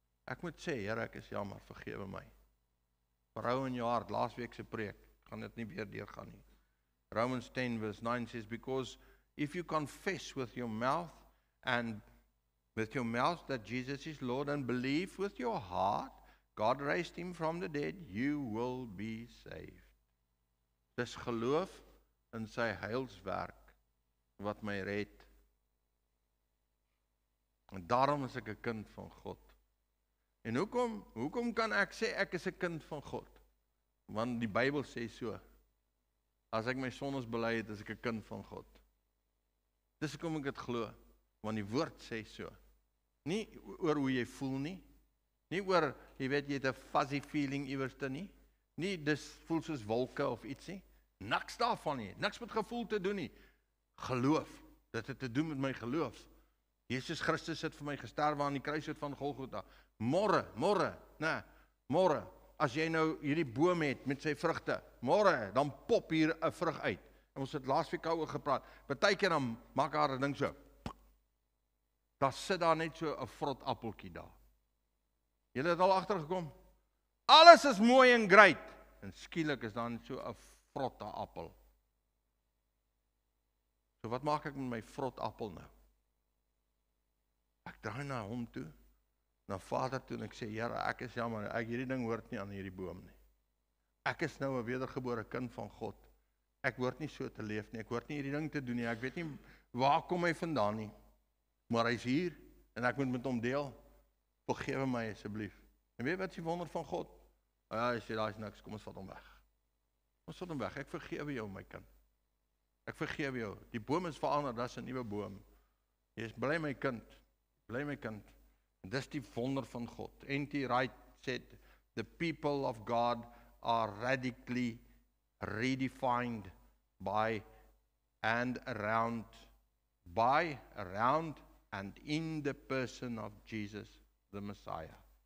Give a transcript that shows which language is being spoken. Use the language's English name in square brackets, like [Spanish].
[Afrikaans] Ek moet sê, Here, ek is jammer, vergewe my. Berou in jou hart, laas week se preek, gaan dit nie weer deurgaan nie. [English] Romans 10 verse 9 says, because if you confess with your mouth and with your mouth that Jesus is Lord and believe with your heart, God raised him from the dead, you will be saved. [Afrikaans] Dis geloof in sy heilswerk wat my red. En daarom is ek 'n kind van God. En hoekom kan ek sê ek is 'n kind van God? Want die Bybel sê so. As ek my sondes bely het, is ek 'n kind van God. Dis hoekom ek dit glo, want die woord sê so. Nie oor hoe jy voel nie. Nie oor jy weet jy het 'n [English] fuzzy feeling [Afrikaans] iewerste nie. Nie dis voel soos wolke of iets nie. Niks daarvan nie. Niks met gevoel te doen nie. Geloof. Dit het te doen met my geloof. Jesus Christus het vir my gesterf aan die kruishout van Golgotha. Môre, as jy nou hierdie boom het met sy vrugte, môre, dan pop hier 'n vrug uit. En ons het laas week oor gepraat. Partykeer dan maak haar 'n ding so. Daar sit daar net so 'n vrot appeltjie daar. Julle het al agtergekom? Alles is mooi en great. En skielik is daar net so 'n vrotte appel. So wat maak ek met my vrot appel nou? Ek draai na hom toe. Na Vader toe, ek sê, Here, ek is jammer, ek hierdie ding hoort nie aan hierdie boom nie. Ek is nou 'n wedergebore kind van God. Ek hoort nie so te leef nie, ek hoort nie hierdie ding te doen nie, ek weet nie waar kom hy vandaan nie. Maar hy is hier, en ek moet met hom deel. Vergewe my asseblief. En weet wat is die wonder van God? Ja, hy sê, daar is niks, kom ons vat hom weg. Kom ons vat hom weg, ek vergewe jou, my kind. Ek vergewe jou, die boom is veranderd, dat is 'n nuwe boom. Jy is bly my kind, bly my kind. Dis die wonder van God. [English] NT Wright said, the people of God are radically redefined by, around, and in the person of Jesus, the Messiah.